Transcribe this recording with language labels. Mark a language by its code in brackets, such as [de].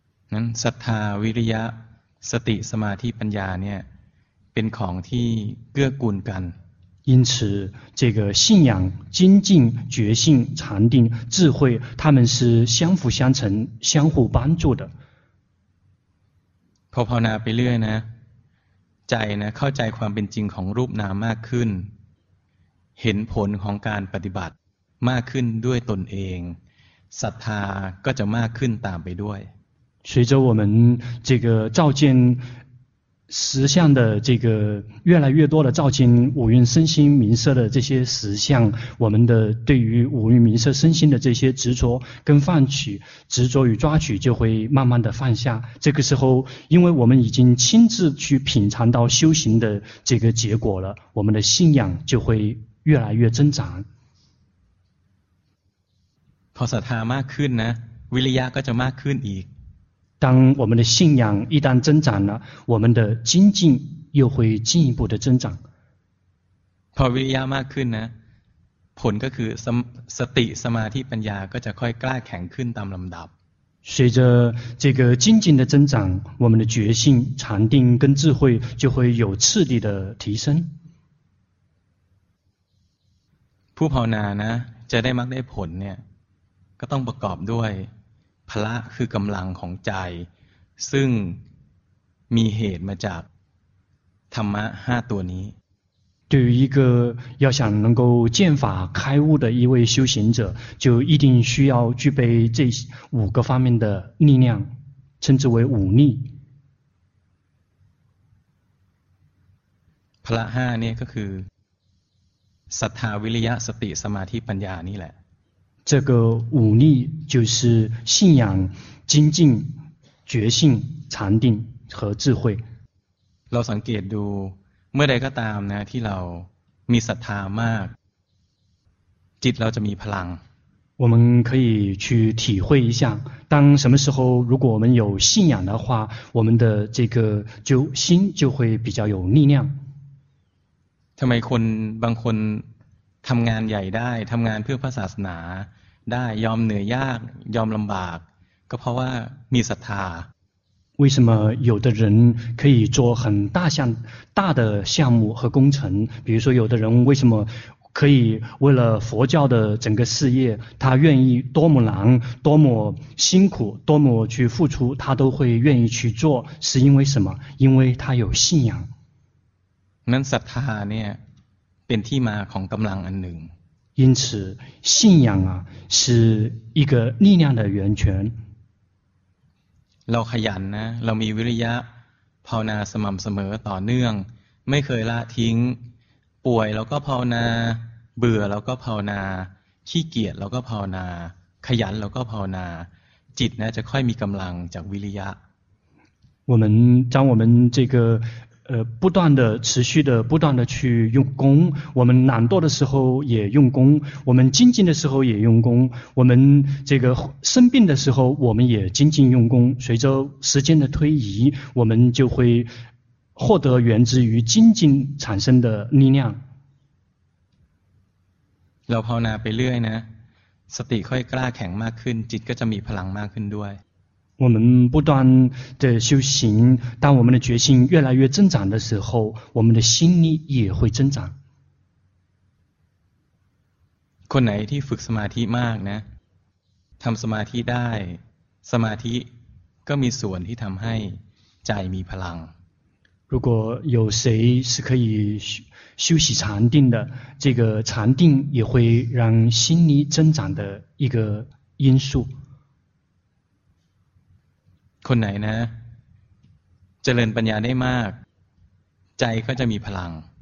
[th] 嗯，ศรัทธา、วิริยะ、สติ、สมาธิ、ปัญญาเนี่ย，เป็นของที่เกื้อกูลกัน。 [zh] 因此这个信仰精进觉性禅定智慧他们是相辅相成相互帮助的 [th] พอภาวนาไปเรื่อยนะใจนะเข้าใจความเป็นจริงของรูปนามมากขึ้นเห็นผลของการปฏิบัติมากขึ้นด้วยตนเองศรัทธาก็จะมากขึ้นตามไปด้วย [zh] 随着我们这个照见实相的这个越来越多的照进五蕴身心名色的这些实相，我们的对于五蕴名色身心的这些执着跟放取，执着与抓取就会慢慢的放下。这个时候，因为我们已经亲自去品尝到修行的这个结果了，我们的信仰就会越来越增长。 [th] พอศรัทธามากขึ้นนะ，วิริยะก็จะมากขึ้นอีก。 [zh] 当我们的信仰一旦增长了，我们的精进又会进一步的增长。 [th] พอวิริยะมากขึ้นนะ，ผลก็คือสติสมาธิปัญญาก็จะค่อยกล้าแข็งขึ้นตามลำดับ。 [zh] 随着这个精进的增长，我们的觉性、禅定跟智慧就会有次第的提升。 [th] ผู้ภาวนานะจะได้มรรคได้ผลเนี่ย，ก็ต้องประกอบด้วยพละคือกำลังของใจซึ่งมีเหตุมาจากธรรมะห้าตัวนี้ [zh] 对于一个要想能够见法开悟的一位修行者，就一定需要具备这五个方面的力量，称之为五力。 [th] พละห้าเนี่ยก็คือศรัทธาวิริยะสติสมาธิปัญญานี่แหละ [zh] 这个五力就是信仰、精进、觉性、禅定和智慧。 [th] เราสังเกตดูเมื่อใดก็ตามนะที่เรามีศรัทธามากจิตเราจะมีพลัง [zh] 我们可以去体会一下，当什么时候如果我们有信仰的话，我们的这个就心就会比较有力量。 [th] ทำไมคนบางคนทำงานใหญ่ได้ทำงานเพื่อพระศาสนาได้ยอมเหนื่อยยากยอมลำบากก็เพราะว่ามีศรัทธา [zh] 为什么有的人可以做很大项大的项目和工程比如说有的人为什么可以为了佛教的整个事业他愿意多么难多么辛苦多么去付出他都会愿意去做是因为什么因为他有信仰 [th] นั้นศรัทธาเนี่ยเป็นที่มาของกำลังอันหนึ่ง [zh] 因此信仰啊是一个力量的源泉 [th] เราขยันนะเรามีวิริยะภาวนาสม่ำเสมอต่อเนื่องไม่เคยละทิ้งป่วยเราก็ภาวนาเบื่อเราก็ภาวนาขี้เกียจเราก็ภาวนาขยันเราก็ภาวนาจิตนะจะค่อยมีกำลังจากวิริยะ [zh] 我们将我们这个不断的持续的不断的去用功我们懒惰的时候也用功我们精进的时候也用功我们这个生病的时候我们也精进用功随着时间的推移我们就会获得源自于精进产生的力量 [th] เราภาวนาไปเรื่อยนะสติค่อยกล้าแข็งมากขึ้นจิตก็จะมีพลังมากขึ้นด้วย [zh] 我们不断的修行，当我们的决心越来越增长的时候，我们的心力也会增长。 [th] คนไหนที่ฝึกสมาธิมากนะ，ทำสมาธิได้，สมาธิก็มีส่วนที่ทำให้ใจมีพลัง。 [zh] 如果有谁是可以修习禅定的，这个禅定也会让心力增长的一个因素。 [th] คนไหนนะเจริญปัญญาได้มากใจก็จะมีพลัง